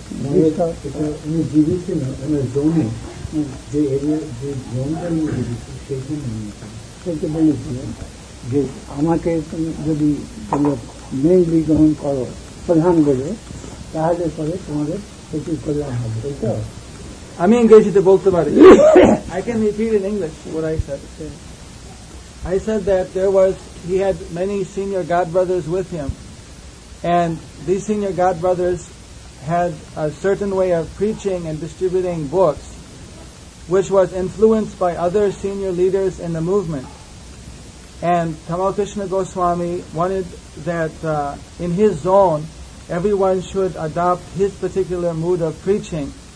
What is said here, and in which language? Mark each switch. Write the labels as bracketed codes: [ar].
[en] in the GBC, in the zoning, the area, the zone that you are taking in [bn] সেটা বলেছিলেন যে আমাকে তুমি যদি তোমরা মেইনলি গ্রহণ করো প্রধান বলে তাহলে পরে তোমাদের সেটি কল্যাণ হবে, তাই তো? আমি ইংরেজিতে বলতে পারি, [en] I can repeat in English what I said. I said that there was he had many senior god brothers with him and this senior god brothers had a certain way of preaching and distributing books which was influenced by other senior leaders in the movement. And Tamal Krishna Goswami wanted that in his zone, everyone should adopt his particular mood of preaching.